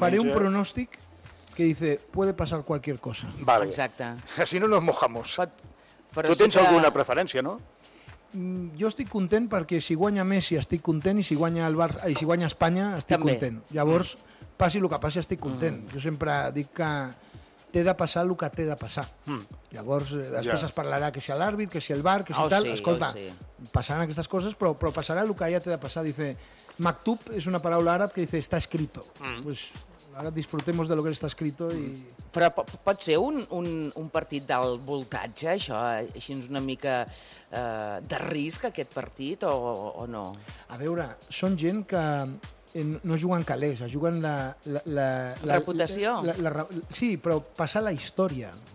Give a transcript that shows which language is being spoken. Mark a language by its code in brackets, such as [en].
[ca] Faré un pronòstic que [es] dice, puede pasar cualquier cosa. [ca] Vale. Exacte. Així [es] no nos mojamos. [ca] Tu tens alguna preferència, no? Jo estic content perquè si guanya Messi estic content i si guanya Espanya estic content. Llavors... passi el que passi, estic content. Jo sempre dic que té de passar el que té de passar. Llavors, després es parlarà que si l'àrbitre, que si el VAR, que si tal. Sí, escolta, sí. Passaran aquestes coses, però passarà el que ja té de passar. [es] Dice, [ca] Maktub és una paraula àrab que [es] dice, està escrito. Pues, [ca] ara [es] disfrutemos de lo que está escrito. [ca] Però pot ser un partit del voltatge, això? Així és una mica de risc, aquest partit, o no? A veure, són gent que... no juguen calés, juguen la reputació. Sí, però passar la història.